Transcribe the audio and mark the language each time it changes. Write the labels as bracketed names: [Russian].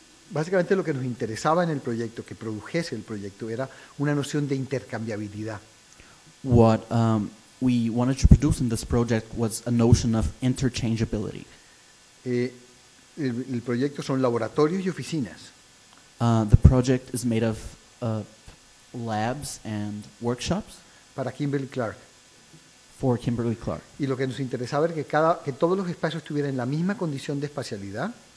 [Spanish] Básicamente lo que nos interesaba en el proyecto, que produjese el proyecto, era una noción de intercambiabilidad. [English] What we wanted to produce in this project was a notion of interchangeability. [Spanish] El proyecto son laboratorios y oficinas. [English] The project is made of labs and workshops. [Spanish] Para Kimberly Clark. [English] For Kimberly Clark. [Spanish] Y lo que nos interesaba era que todos los espacios tuvieran la misma condición de espacialidad.